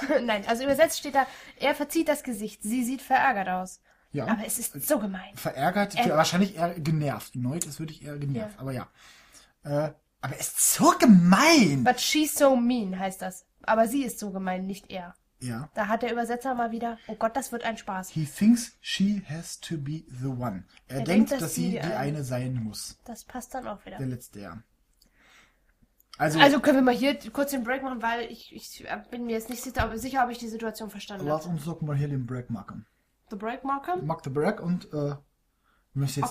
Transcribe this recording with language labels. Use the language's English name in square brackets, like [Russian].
[German] Nein, also übersetzt steht da, er verzieht das Gesicht. Sie sieht verärgert aus. Ja. Aber es ist so gemein. Verärgert, wahrscheinlich eher genervt. Neut ist wirklich eher genervt, aber ja. Aber es ist so gemein. [English] But she's so mean, [German] heißt das. Aber sie ist so gemein, nicht er. Ja. Da hat der Übersetzer mal wieder, oh Gott, das wird ein Spaß. [English] He thinks she has to be the one. [German] Er denkt, dass sie die eine sein muss. Das passt dann auch wieder. Der letzte, ja. Also können wir mal hier kurz den Break machen, weil ich bin mir jetzt nicht sicher, ob ich die Situation verstanden lass habe. Lass uns doch mal hier den Break machen. The Break machen? Mach the Break und wir müssen jetzt